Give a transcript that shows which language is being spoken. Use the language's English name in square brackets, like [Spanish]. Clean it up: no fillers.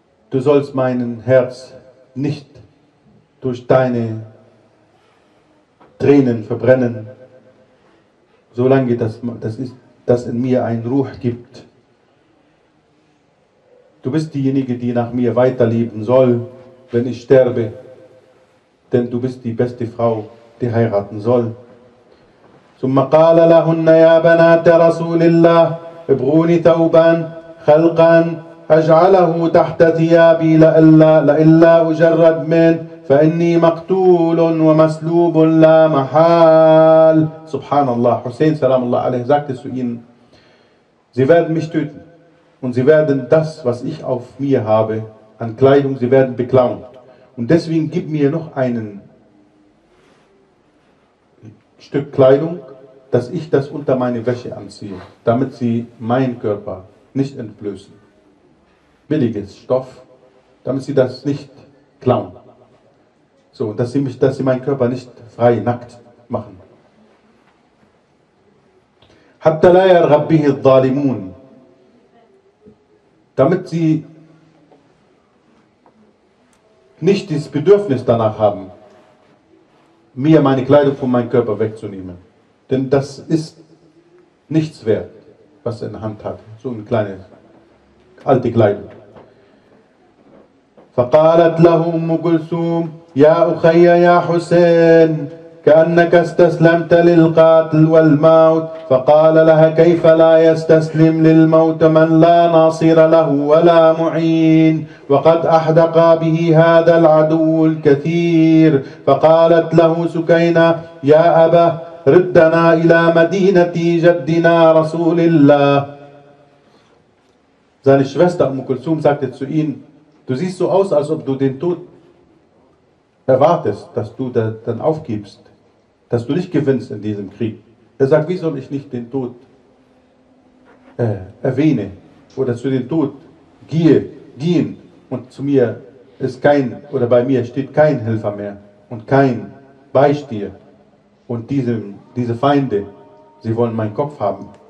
[German] Du sollst mein Herz nicht durch deine Tränen verbrennen, solange das in mir einen Ruh gibt. Du bist diejenige, die nach mir weiterleben soll, wenn ich sterbe. Denn du bist die beste Frau, die heiraten soll. [Arabic] ثم قال لهن يا بنات رسول الله ابغوني ثوبا خلقا اجعله تحت ثيابي لئلا اجرد منه فاني مقتول ومسلوب لا محال. سبحان الله. حسين سلام الله عليه [German] sagte zu ihnen, sie werden mich töten. Und sie werden das, was ich auf mir habe, an Kleidung, sie werden beklaut. Und deswegen gib mir noch ein Stück Kleidung, dass ich das unter meine Wäsche anziehe, damit sie meinen Körper nicht entblößen. Billiges Stoff, damit sie das nicht klauen. So, dass sie meinen Körper nicht frei nackt machen. [Arabic] حَتَّى لَا يَرْغَبْ بِهِ الظَّالِمُونَ. [German] Damit sie nicht das Bedürfnis danach haben, mir meine Kleidung von meinem Körper wegzunehmen. Denn das ist nichts wert, was er in der Hand hat. So eine kleine, alte Kleidung. [Arabic] فَقَالَتْ لَهُ أُمُّ كُلْثُومَ يَا أُخَيَّ يَا حُسَيْنَ كأنك استسلمت للقاتل والموت فقال لها كيف لا يستسلم للموت من لا ناصر له ولا معين وقد أحدق به هذا العدو الكثير فقالت له سكينة يا أبا ردنا إلى مدينة جدنا رسول الله. [German] Seine Schwester Umm Kulthum sagte zu ihm, Du siehst so aus, als ob du den Tod erwartest, dass du da dann aufgibst, dass du nicht gewinnst in diesem Krieg. Er sagt, wie soll ich nicht den Tod erwähne oder zu dem Tod gehen und zu mir ist kein, oder bei mir steht kein Helfer mehr und kein Beistier und diese Feinde, sie wollen meinen Kopf haben.